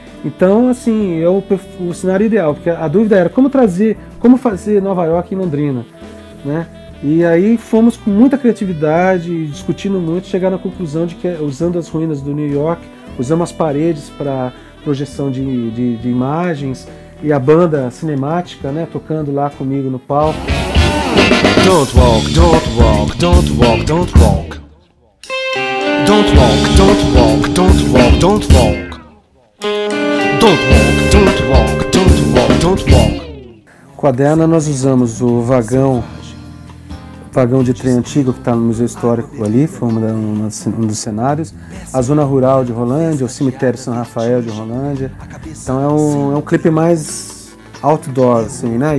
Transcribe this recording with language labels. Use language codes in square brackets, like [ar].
[pt] Então, assim, é o cenário ideal. Porque a dúvida era como trazer, como fazer Nova York em Londrina, né? E aí fomos com muita criatividade, discutindo muito, chegar na conclusão de que usando as ruínas do New York, usamos as paredes para projeção de imagens e a banda cinemática, né, tocando lá comigo no palco. [en] Don't walk, don't walk, don't walk, don't walk. Don't walk, don't walk, don't walk, don't walk. Don't walk, don't walk, don't walk, don't walk. [pt] Com a Dana nós usamos o vagão de trem antigo que está no Museu Histórico ali, foi um dos cenários. A zona rural de Rolândia, o cemitério São Rafael de Rolândia. Então é um clipe mais outdoor, assim, né?